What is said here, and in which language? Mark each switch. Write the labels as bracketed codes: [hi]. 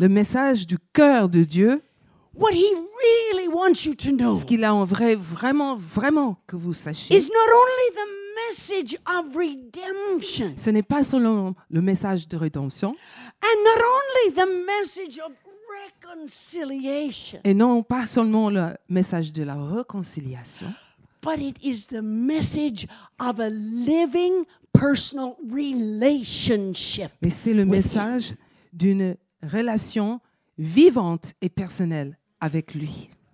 [fr] le message du cœur de Dieu, [en] what he really wants you to know, [fr] ce qu'il a en vrai, vraiment, vraiment que vous sachiez, [en] is not only the message of redemption, [fr] ce n'est pas seulement le message de rédemption, [en] and not only the message of reconciliation. [fr] Et non pas seulement le message de la réconciliation. [en] But it is the message of a living personal relationship. [fr] Mais c'est le message d'une relation vivante et personnelle avec lui.